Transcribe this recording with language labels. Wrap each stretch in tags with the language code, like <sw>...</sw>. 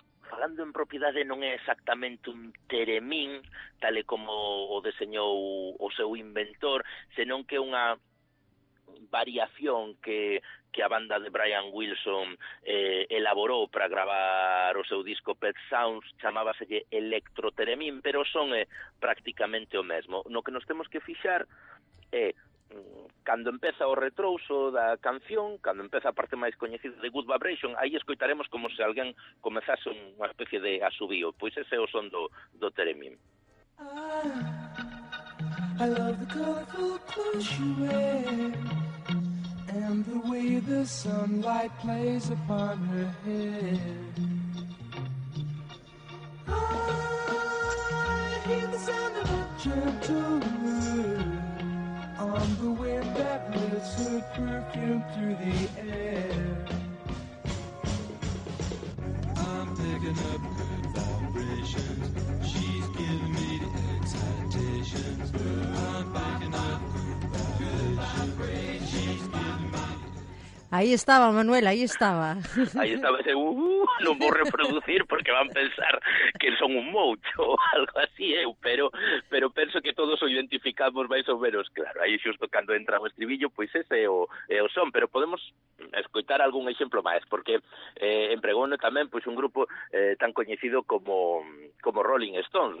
<gl>Falando en propiedade, non é exactamente un teremín, tal e como o deseñou o seu inventor, senón que é unha variación que a banda de Brian Wilson elaborou para gravar o seu disco Pet Sounds, chamábaselle Electroteremín, pero son prácticamente o mesmo. No que nos temos que fixar é cando empeza o retrouso da canción, cando empeza a parte máis coñecida de Good Vibration, aí escoitaremos como se alguén comezase unha especie de asubío. Pois ese é o son do teremín.</gl> <en>I love the colorful clothes you wear and the way the sunlight plays upon her hair. I hear the sound of a gentle wind on the wind that lifts her perfume through the air. I'm picking up good vibrations. She's giving me the excitations. I'm picking up good vibrations. She's giving me.</en> <gl>Aí estaba, Manuel, aí estaba. Aí estaba ese non vou reproducir porque van pensar que son un moucho ou algo así, pero penso que todos o identificamos máis ou menos, claro, aí xusto cando entra o estribillo, pois ese é o son, pero podemos escoitar algún exemplo máis, porque empregou tamén pois un grupo tan coñecido como Rolling Stones.</gl>